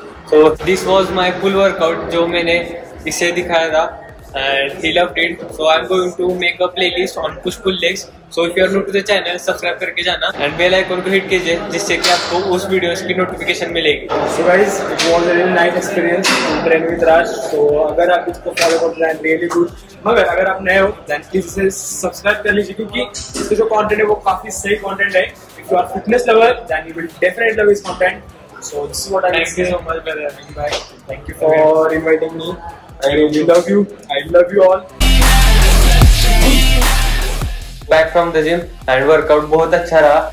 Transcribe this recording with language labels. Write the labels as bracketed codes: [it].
[en] So this was my full workout [hi] जो मैंने इसे दिखाया था [en] and he loved it. So I am going to make a playlist on push pull legs. So if you are new to the channel, subscribe [hi] करके जाना [en] and bell icon को hit कीजिए [hi] जिससे कि आपको उस videos की notification मिलेगी. [en] So guys, it was a really nice experience to train with Raj. [hi] So अगर आप इसको follow करते हैं [en] really good. [hi] मगर अगर आप नए हो [en] then please [hi] इसे subscribe कर लीजिए क्योंकि इसका जो content है वो काफी सही content है. [en] If you are fitness lover then you will definitely love his content. So this is what I like. Thank you so much, brother. Thank you for inviting me. I really love you. I love you all. Back from the gym and workout [hi] बहुत अच्छा रहा.